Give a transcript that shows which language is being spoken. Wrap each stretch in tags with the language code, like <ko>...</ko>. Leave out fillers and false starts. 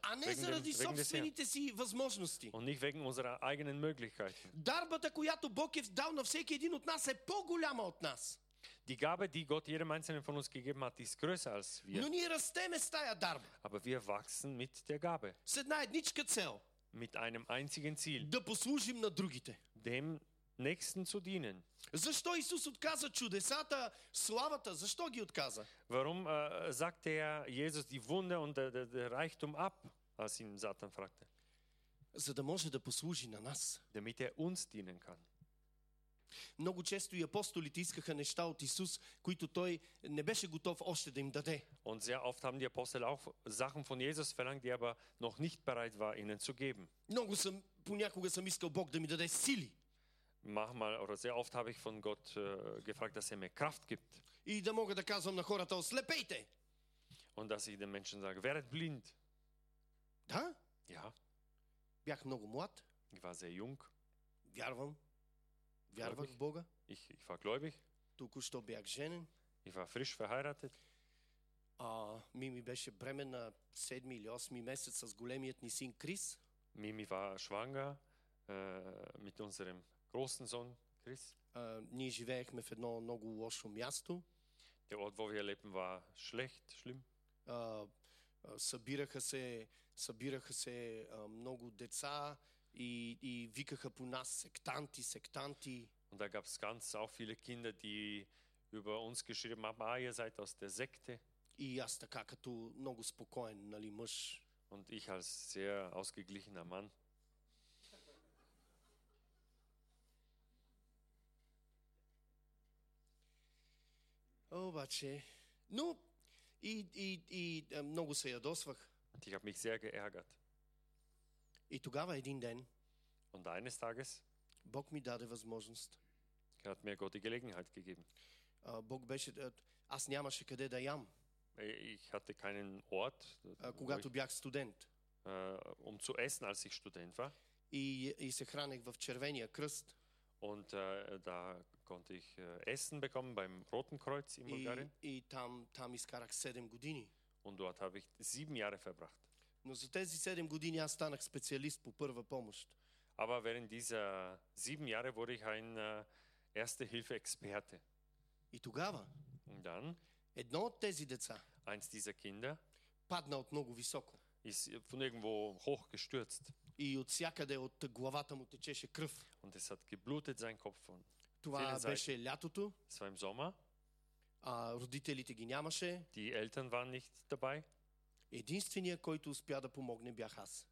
<bg>А не заради собствените си възможности.</bg> <de>Und nicht wegen unserer eigenen Möglichkeiten.</de> <bg>Дарбата, която Бог е дал на всеки един от нас, е по-голяма от нас.</bg> <de>Die Gabe, die Gott jedem einzelnen von uns gegeben hat, ist größer als wir.</de> <bg>Но ние растеме с тая дарба.</bg> <de>Aber wir wachsen mit der Gabe.</de> <bg>С една едничка цел.</bg> <de>Mit einem einzigen Ziel.</de> <bg>Да послужим на другите.</bg> <de>Dem Nächsten zu dienen.</de> <bg>Защо Исус отказа чудесата, славата? Защо ги отказа?</bg> <de>Warum sagte er Jesus die Wunder und der Reichtum ab, als ihn Satan fragte?</de> <bg>За да може да послужи на нас.</bg> <de>Damit er uns dienen kann.</de> <bg>Много често и апостолите искаха неща от Исус, които той не беше готов още да им даде.</bg> <de>Und sehr oft haben die Apostel auch Sachen von Jesus verlangt, die aber noch nicht bereit war, ihnen zu geben.</de> <bg>Много съм, понякога съм искал Бог да ми даде сили.</bg> <de>Manchmal oder sehr oft habe ich von Gott gefragt, dass er mir Kraft gibt.</de> <bg>И да мога да казвам на хората, ослепейте.</bg> <de>Und dass ich den Menschen sage, werdet blind.</de> <bg>Да?</bg> <de>Ja.</de> <bg>Бях много млад.</bg> <de>Ich war sehr jung.</de> <bg>Вярвах в Бога.</bg> <de>Ich war gläubig.</de> <bg>Току-що бях женен.</bg> <de>Ich war frisch verheiratet.</de> <bg>Мими беше бременна 7 или 8 месец с големият ни син Крис.</bg> <de>Mimi war schwanger mit unserem großen Sohn Chris.</de> <bg>Ние живеехме в едно много лошо място.</bg> <de>Der Ort, wo wir leben, war schlecht, schlimm.</de> <bg>Събираха се много деца и викаха по нас сектанти.</bg> <de>Und da gab es ganz auch viele Kinder, die über uns geschrieben haben, ah, ihr seid aus der Sekte.</de> <bg>И аз така като много спокоен, нали, мъж.</bg> <de>Und ich als sehr ausgeglichener Mann.</de> <bg>Обаче, ну, и много се ядосвах.</bg> <de>Und ich habe mich sehr geärgert.</de> <bg>И тогава един ден.</bg> <de>Und eines Tages.</de> <bg>Бог ми даде възможност.</bg> <de>Hat mir Gott die Gelegenheit gegeben.</de> <bg>Бог беше, аз нямаше къде да ям.</bg> <de>Ich hatte keinen Ort,</de> <bg>когато бях студент.</bg> <de>Zu essen, als ich Student war.</de> <bg>И се хранех в Червения кръст.</bg> <de>Und da konnte ich Essen bekommen beim Roten Kreuz in Bulgarien.</de> <bg>И там изкарах 7 години.</bg> <de>Und dort habe ich 7 Jahre verbracht.</de> <bg>Но за тези 7 години аз станах специалист по първа помощ.</bg> <de>Aber während dieser 7 Jahre wurde ich ein Erste-Hilfe-Experte.</de> <bg>И тогава.</bg> <de>Und dann.</de> <bg>Едно от тези деца.</bg> <de>Eins dieser Kinder.</de> <bg>Падна от много високо.</bg> <de>Ist von irgendwo hochgestürzt.</de> <bg>И от всякъде от главата му течеше кръв.</bg> <de>Und es hat geblutet sein Kopf von.</de> <bg>Това беше лятото.</bg> <de>Es war im Sommer.</de> <bg>Родителите ги нямаше.</bg> <de>Die Eltern waren nicht dabei.</de> <bg>Единственият, който успя да помогне, бях аз.</bg>